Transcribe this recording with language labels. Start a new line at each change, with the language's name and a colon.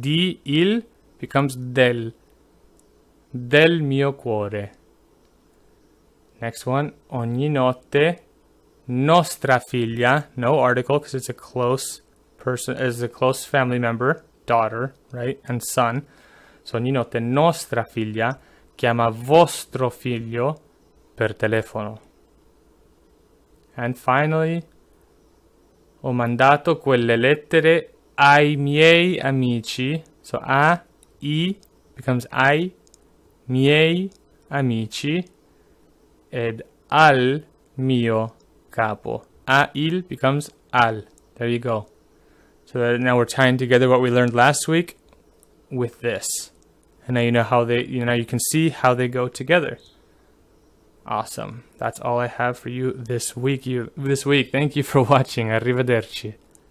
Italian: Di il becomes del. Del mio cuore.
English: Next one.
Italian: Ogni notte. Nostra figlia,
English: no article because it's a close person, is a close family member, daughter, right, and son.
Italian: So ogni notte nostra figlia chiama vostro figlio per telefono.
English: And finally,
Italian: ho mandato quelle lettere ai miei amici.
English: So a I becomes
Italian: ai miei amici ed al mio capo.
English: A il becomes al. There you go. So that now we're tying together what we learned last week with this. And now you know how they, you know, you can see how they go together. Awesome. That's all I have for you this week. Thank you for watching. Arrivederci.